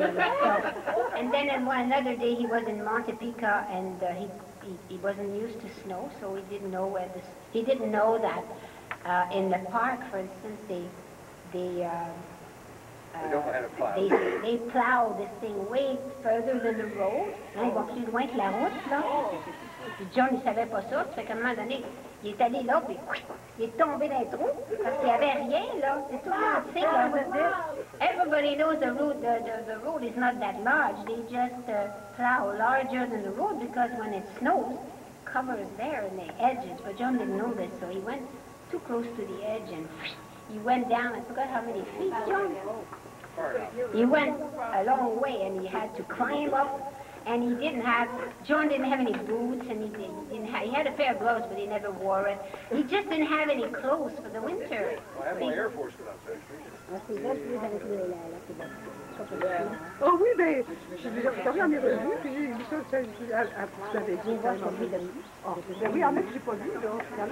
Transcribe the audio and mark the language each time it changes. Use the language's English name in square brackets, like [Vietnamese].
[English] And then another day, he was in Monte Pica, and he wasn't used to snow, so he didn't know where this. He didn't know that in the park, for instance, they plow this thing way further than the road. [French] Là, il va plus loin que la route, là. Puis John, il savait pas ça. Ça fait qu'à un moment donné, il est allé là, puis il est tombé dans le trou, parce qu'il y avait rien, là. C'est tout le monde sait, là. [English] Everybody knows the road is not that large. They just plow larger than the road, because when it snows, it covers there in the edges. But John didn't know this, so he went too close to the edge, and he went down. I forgot how many feet, John. He went a long way, and he had to climb up. And he didn't have, John didn't have any boots, and he had a pair of gloves, but he never wore it. He just didn't have any clothes for the winter. Well, I have my Air Force [French] Oh, oui, ben, je vous savez, on est revenu, puis j'ai vu ça, vous avez dit, j'ai pas vu. Ben oui, en fait, j'ai pas vu, donc.